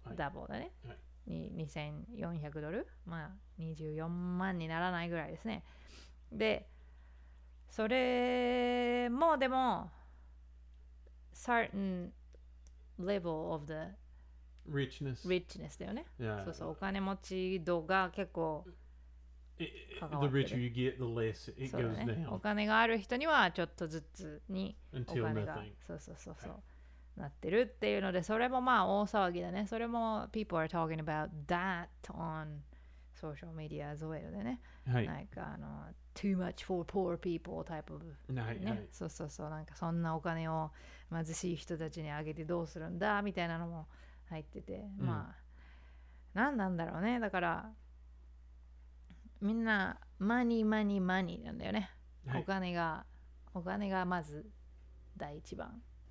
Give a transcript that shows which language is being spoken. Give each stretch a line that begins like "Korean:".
Japanese: だね、はい、$2,400まあ24万にならないぐらいですね。でそれもでも
English: certain level of the richness
Japanese: だよね、
English: yeah.
Japanese: そうそうお金持ち度が結構
English: The richer you get, the less it goes down.
Japanese: お金がある人にはちょっとずつにお金がそうそうそうそうなってるっていうのでそれもまあ大騒ぎだね。それも
English: people are talking about that on social media as well でね。
Japanese: はい。
English: なんかあの too much for poor people type of
Japanese: ね。はいはい。そうそうそうなんかそんなお金を貧しい人たちにあげてどうするんだみたいなのも入ってて、まあ、うん、何なんだろうね。だから。みんなマニーマニーマニーなんだよね、はい、お金がまず第一番、